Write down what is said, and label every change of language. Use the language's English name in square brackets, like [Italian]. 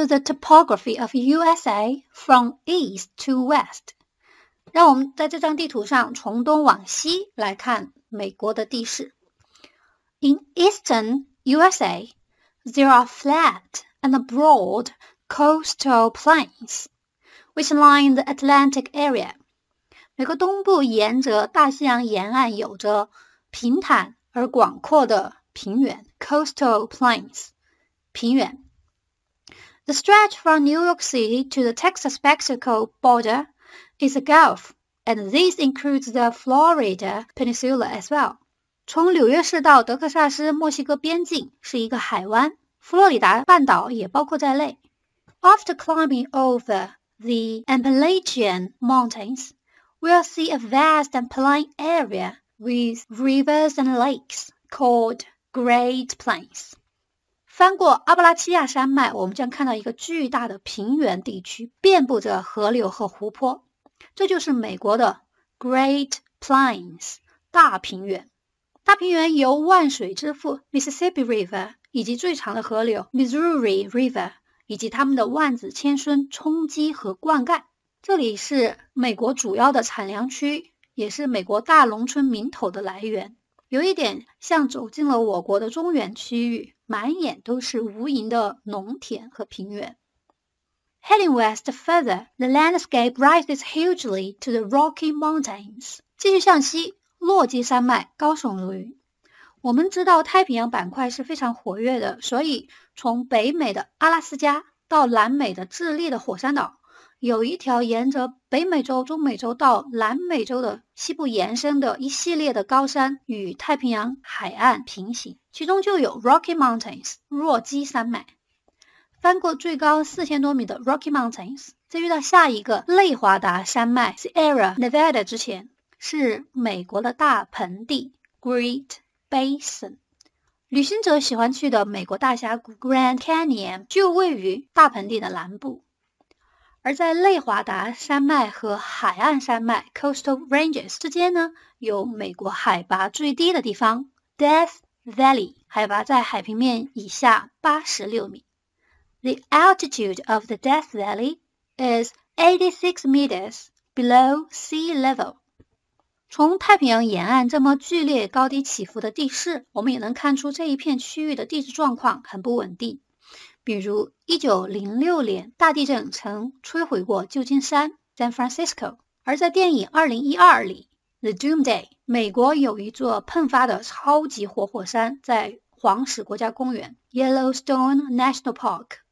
[English] the topography of USA from east to west. [Chinese] 让我们在这张地图上从东往西来看美国的地势。 [English] In eastern USA, there are flat and broad coastal plains, which line the Atlantic area. [Chinese] 美国东部沿着大西洋沿岸有着平坦而广阔的平原 [English] coastal plains, [Chinese] 平原。 [English] The stretch from New York City to the Texas-Mexico border is a gulf, and this includes the Florida Peninsula as well. [Chinese] 从纽约市到德克萨斯墨西哥边境是一个海湾，佛罗里达半岛也包括在内。 [English] After climbing over the Appalachian Mountains, we'll see a vast and plain area with rivers and lakes called Great Plains. [Chinese] 翻过阿布拉契亚山脉，我们将看到一个巨大的平原地区，遍布着河流和湖泊。这就是美国的 Great Plains 大平原。大平原由万水之父 Mississippi River 以及最长的河流 Missouri River 以及它们的万紫千孙冲击和灌溉。这里是美国主要的产粮区，也是美国大农村名头的来源。有一点像走进了我国的中原区域，满眼都是无垠的农田和平原。 [English] Heading west further, the landscape rises hugely to the Rocky Mountains. [Chinese] 继续向西，落基山脉高耸入云。我们知道太平洋板块是非常活跃的，所以从北美的阿拉斯加到南美的智利的火山岛，有一条沿着北美洲、中美洲到南美洲的西部延伸的一系列的高山与太平洋海岸平行，其中就有 Rocky Mountains 若基山脉。翻过最高4000多米的 Rocky Mountains， 在遇到下一个内华达山脉 Sierra Nevada 之前，是美国的大盆地 Great Basin。旅行者喜欢去的美国大峡谷 Grand Canyon 就位于大盆地的南部，而在内华达山脉和海岸山脉 Coastal Ranges 之间呢，有美国海拔最低的地方 Death Valley， 海拔在海平面以下86米。 [English] The altitude of the Death Valley is 86 meters below sea level. [Chinese] 从太平洋沿岸这么剧烈高低起伏的地势，我们也能看出这一片区域的地质状况很不稳定。比如1906年大地震曾摧毁过旧金山 San Francisco， 而在电影2012里 The Doomsday， 美国有一座喷发的超级活火山在黄石国家公园 Yellowstone National Park。